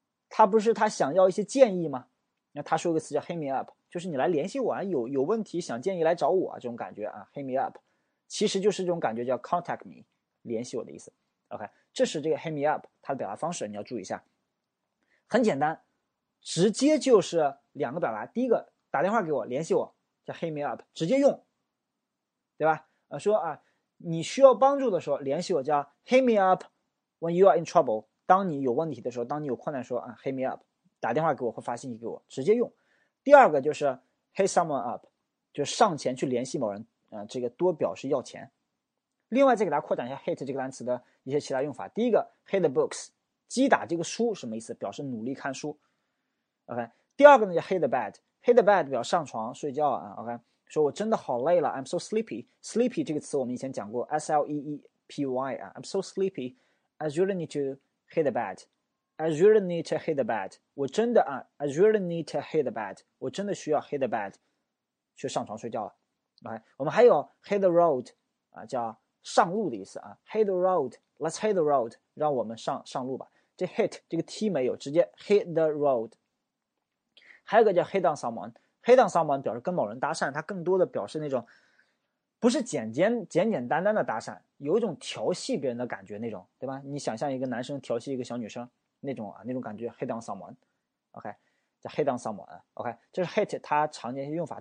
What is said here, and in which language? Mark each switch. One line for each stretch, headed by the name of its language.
Chinese: 他不是他想要一些建议吗？那他说一个词叫 hit me up，就是你来联系我啊，有问题想建议来找我啊，这种感觉啊，hit me up，其实就是这种感觉叫 contact me，联系我的意思。 OK，这是这个 hit me up 它的表达方式，你要注意一下。很简单，直接就是两个表达，第一个打电话给我联系我叫 hit me up，直接用，对吧？说啊。你需要帮助的时候联系我叫
English: hit me up when you are in trouble。
Chinese: 当你有问题的时候，当你有困难的时候啊，hit me up，打电话给我或发信息给我，直接用。第二个就是 hit someone up，就是上前去联系某人，这个多表示要钱。另外再给大家扩展一下 hit 这个单词的一些其他用法。第一个 hit the books，击打这个书什么意思？表示努力看书。 OK，第二个呢叫 hit the bed，hit the bed 表示上床睡觉啊。OK。说我真的好累了，
English: I'm so sleepy。 Sleepy 这个词我们以前讲过，sleepy 啊，I'm so sleepy，I really need to hit the bed，I really need to hit the bed。
Chinese: 我真的啊，
English: I really need to hit the bed，
Chinese: 我真的需要 hit the bed 去上床睡觉了。 OK，我们还有 hit the road 啊，叫上路的意思啊，hit the road，
English: let's hit the road，
Chinese: 让我们上路吧。这 hit 这个 T 没有，直接 hit the road。 还有个叫 hit on someone。 Hit on someone 表示跟某人搭讪，它更多的表示那种不是简简单单的搭讪，有一种调戏别人的感觉那种，对吧？你想象一个男生调戏一个小女生那种啊，那种感觉 hit on someone，OK，叫 hit on someone，OK，这是 hit 它常见一些用法。